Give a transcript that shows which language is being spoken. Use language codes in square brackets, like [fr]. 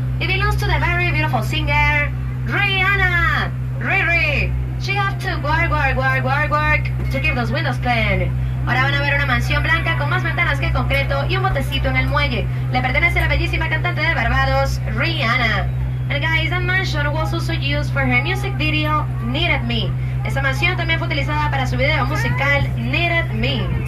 [en] It belongs to the very beautiful singer, Rihanna! Riri! She has to work, work, work, work, work to keep those windows clean. [es] Ahora van a ver una mansión blanca con más ventanas que concreto y un botecito en el muelle. Le pertenece a la bellísima cantante de Barbados, Rihanna. [en] And guys, that mansion was also used for her music video, Needed Me. [es] Esa mansión también fue utilizada para su video musical, Needed Me.